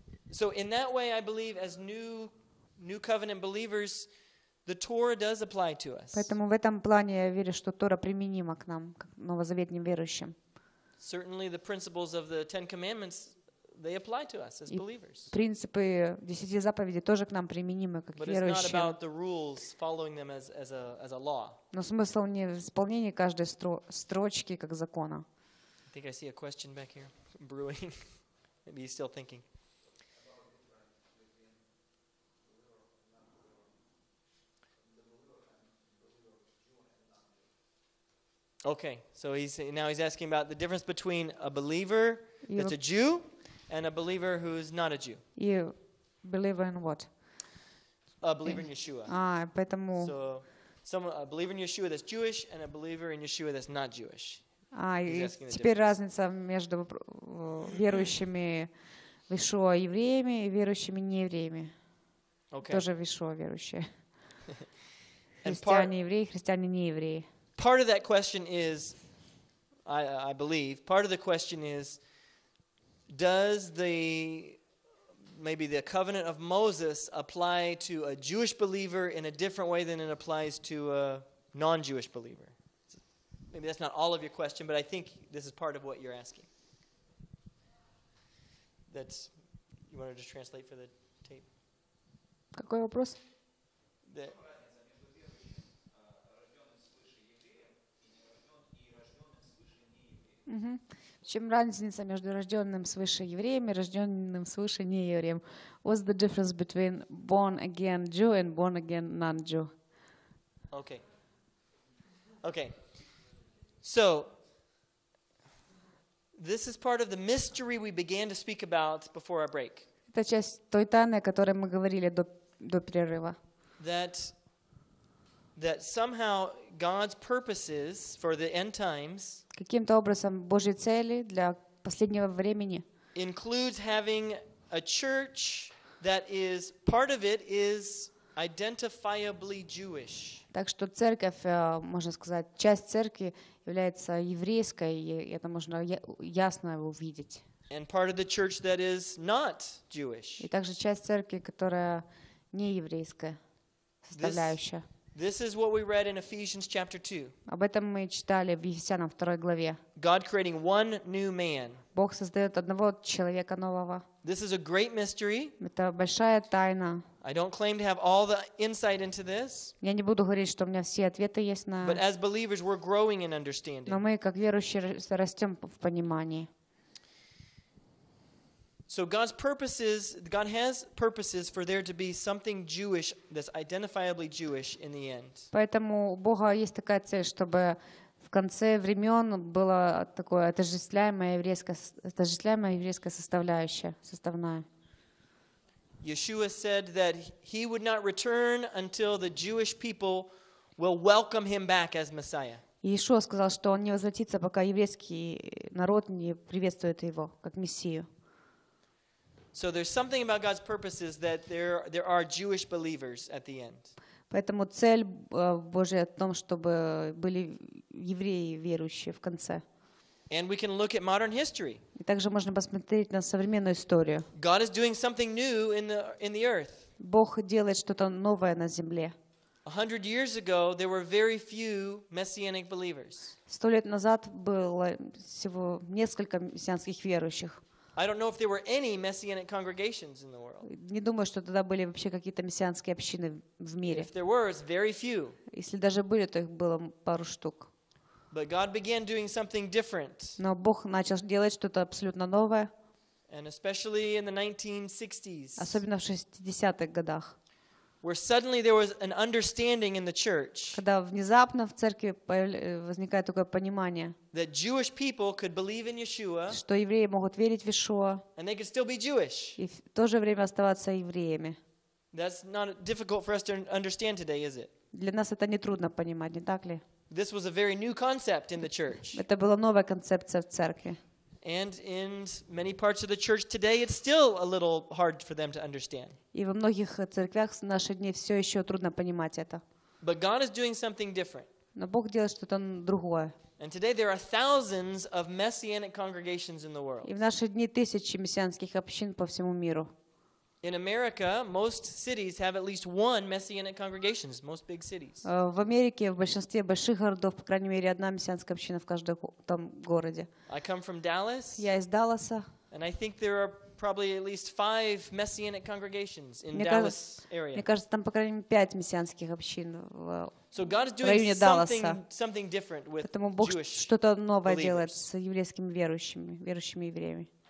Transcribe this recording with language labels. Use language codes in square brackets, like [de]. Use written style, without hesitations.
[en] So in that way, I believe as new covenant believers, the Torah does apply to us. [ru] Поэтому в этом плане я верю, что Тора применима к нам, как новозаветным верующим. [en] Certainly, the principles of the Ten Commandments. They apply to us as believers. [ru] Принципы десяти заповедей тоже к нам применимы как верующим. [en] But it's not about the rules, following them as a law. [ru] Но смысл не в исполнении каждой строчки как закона. [en] I think I see a question back here brewing. Maybe he's still thinking. Okay, so he's asking about the difference between a believer that's a Jew. And a believer who is not a Jew. You believe in what? A believer in Yeshua. [ru] Поэтому. [en] So, a believer in Yeshua that's Jewish, and a believer in Yeshua that's not Jewish. [ru] Теперь разница между верующими в Ишуа евреями и верующими не евреями. [en] Okay. [ru] Тоже в Ишуа верующие. Христиане евреи, христиане не евреи. [en] Part of that question is, I believe, part of the question is. Does the maybe the covenant of Moses apply to a Jewish believer in a different way than it applies to a non-Jewish believer. Maybe that's not all of your question, but I think this is part of what you're asking. That's, you want to just translate for the tape? [ru] Какой вопрос? [en] That, [ru] В чем разница между рожденным свыше евреем и рожденным свыше неевреем? [en] What's the difference between born again Jew and born again non-Jew? Okay. Okay. So, this is part of the mystery we began to speak about before our break. [ru] Это часть той тайны, о которой мы говорили до перерыва. [en] That somehow God's purposes for the end times [ru] каким-то образом Божьи цели для последнего времени [en] includes having a church that is part of it is identifiably Jewish. [ru] Так что церковь, можно сказать, часть церкви является еврейской, и это можно ясно увидеть. [en] And part of the church that is not Jewish. [ru] И также часть церкви, которая не еврейская составляющая. [en] This is what we read in Ephesians chapter 2. [ru] Об этом мы читали в Ефесянам 2 главе. [en] God creating one new man. [ru] Бог создает одного человека нового. [en] This is a great mystery. [ru] Это большая тайна. [en] I don't claim to have all the insight into this. [ru] Я не буду говорить, что у меня все ответы есть на. [en] But as believers, we're growing in understanding. [ru] Но мы как верующие растем в понимании. [en] So God's purposes, God has purposes for there to be something Jewish that's identifiably Jewish in the end. [ru] Поэтому у Бога есть такая цель, чтобы в конце времен было такое отождествляемое еврейское составляющее, составная. [en] Yeshua said that he would not return until the Jewish people will welcome him back as Messiah. [ru] Yeshua сказал, что он не возвратится, пока еврейский народ не приветствует его как Мессию. [en] So there's something about God's purposes that there are Jewish believers at the end. [ru] Поэтому цель Божья в том, чтобы были евреи верующие в конце. [en] And we can look at modern history. [ru] И также можно посмотреть на современную историю. [en] God is doing something new in the earth. [ru] Бог делает что-то новое на земле. [en] 100 years ago, there were very few messianic believers. [ru] 100 лет назад было всего несколько мессианских верующих. [en] I don't know if there were any messianic congregations in the world. [ru] Не думаю, что тогда были вообще какие-то мессианские общины в мире. [en] If there were, it's very few. [ru] Если даже были, то их было пару штук. [en] But God began doing something different. [ru] Но Бог начал делать что-то абсолютно новое. [en] And especially in the 1960s. [ru] Особенно в 60-х годах. [en] Where suddenly there was an understanding in the church. [ru] Когда внезапно в церкви возникает такое понимание. [en] That Jewish people could believe in Yeshua. [ru] Что евреи могут верить в Иешуа. [en] And they could still be Jewish. [ru] И в то же время оставаться евреями. [en] That's not difficult for us to understand today, is it? [ru] Для нас это не трудно понимать, не так ли? [en] This was a very new concept in the church. [ru] Это была новая концепция в церкви. [en] And in many parts of the church today, it's still a little hard for them to understand. [ru] И во многих церквях в наши дни все еще трудно понимать это. [en] But God is doing something different. [ru] Но Бог делает что-то другое. [en] And today there are thousands of messianic congregations in the world. [ru] И в наши дни тысячи мессианских общин по всему миру. [en] In America, most cities have at least one messianic congregation. Most big cities. [ru] В Америке в большинстве больших городов, по крайней мере, одна мессианская община в каждом там городе. [en] I come from Dallas. [ru] Я из Далласа. [en] And I think there are probably at least 5 messianic congregations in Dallas area. [ru] Мне кажется, там по крайней мере 5 мессианских общин в Далласе. [en] So God is doing something different with Jewish believers. [ru] Поэтому Бог что-то новое делает с еврейскими верующими евреями.